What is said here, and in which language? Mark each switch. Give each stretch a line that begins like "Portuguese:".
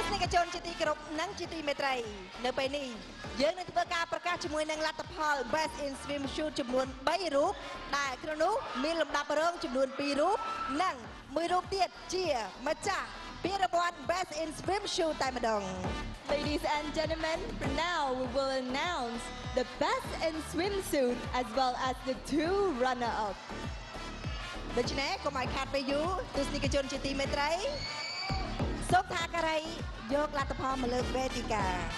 Khmer: ជនជាទីគោរពនិងជាទីមេត្រីនៅពេលនេះយើងនឹងធ្វើការប្រកាសជាមួយនឹងលទ្ធផល Best in Swim Shoot ចំនួន3រូបដែលក្នុងនោះមានលំដាប់រងចំនួន2រូបនិង1រូបទៀតជាម្ចាស់ពានរង្វាន់ Best in Swim Shoot តែម្ដង
English: Ladies and gentlemen, for now we will announce the Best in Swimsuit as well as the two runner-up.
Khmer: ដូច្នេះកុំឲ្យខាតពេលយូរទស្សនិកជនជាទីមេត្រីសូមថាករៃយកលទ្ធផលមកលើវេទិកា